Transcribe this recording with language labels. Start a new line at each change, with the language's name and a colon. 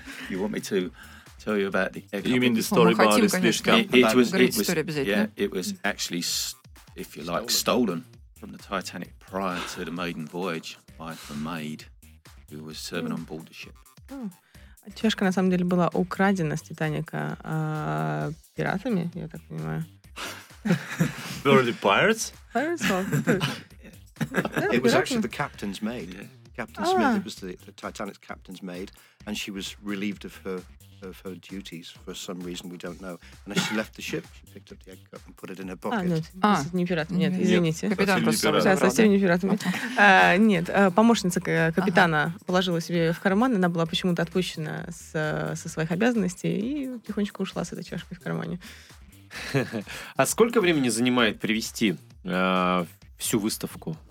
English: You want me to tell you about the egg? You mean the story about this fish cup? It was yeah, it was actually, if you like, stolen from the Titanic prior to the maiden voyage by the maid who was serving on board the ship. Oh.
Russian: Чашка на самом деле была украдена с Титаника пиратами, я так понимаю.
English: Were the pirates? Pirates of It was actually the captain's maid. Yeah. Captain Smith, it was the Titanic's captain's maid, and she was relieved of her duties for some reason we don't know. And as she left the ship, she picked up the egg cup and put it in her pocket.
Russian: Не пират, нет, извините. Капитан просто сейчас совсем не пират. Нет, помощница капитана положила себе в карман, она была почему-то отпущена со своих обязанностей и тихонечко ушла с этой чашкой в кармане. А сколько времени занимает привезти всю выставку?